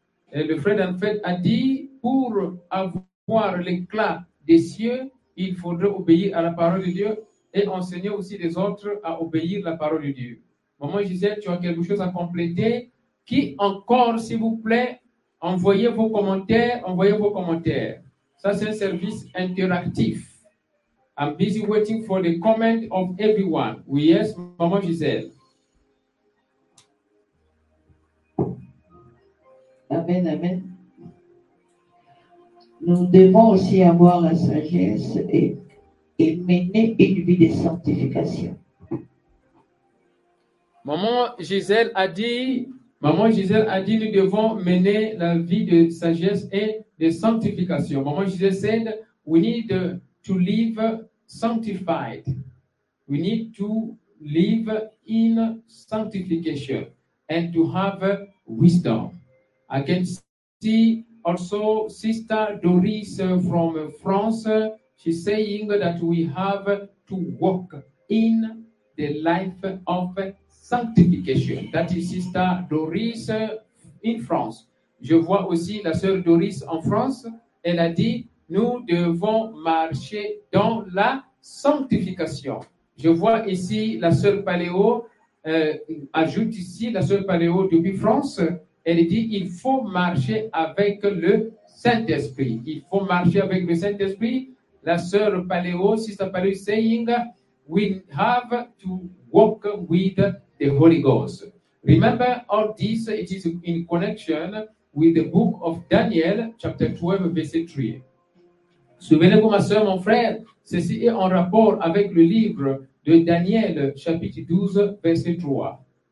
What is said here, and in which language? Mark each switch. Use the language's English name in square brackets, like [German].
[French] Le frère Delphet a dit, pour avoir l'éclat des cieux, il faudrait obéir à la parole de Dieu et enseigner aussi les autres à obéir la parole de Dieu. Maman Gisèle, tu as quelque chose à compléter? Qui encore, s'il vous plaît, Envoyez vos commentaires. Ça, c'est un service interactif. [English] I'm busy waiting for the comment of everyone. [French] Oui, yes, Maman Gisèle. Amen, amen. Nous devons aussi avoir la sagesse et mener une vie de sanctification. Maman Gisèle a dit, nous devons mener la vie de sagesse et de sanctification. [English] Maman Gisèle said, we need to live sanctified. We need to live in sanctification and to have wisdom. I can see also Sister Doris from France. She's saying that we have to walk in the life of sanctification. That is Sister Doris in France. [French] Je vois aussi la sœur Doris en France. Elle a dit, nous devons marcher dans la sanctification. Je vois ici la sœur Paléo, ajoute ici la sœur Paléo depuis France. Elle dit, il faut marcher avec le Saint-Esprit. Il faut marcher avec le Saint-Esprit. La sœur Paléo, [English] Sister Paléo, saying, we have to walk with the Holy Ghost. Remember, all this, it is in connection with the book of Daniel, chapter 12, verset 3. [French] Souvenez-vous, ma soeur, mon frère, ceci est en rapport avec le livre de Daniel, chapitre 12, verset 3.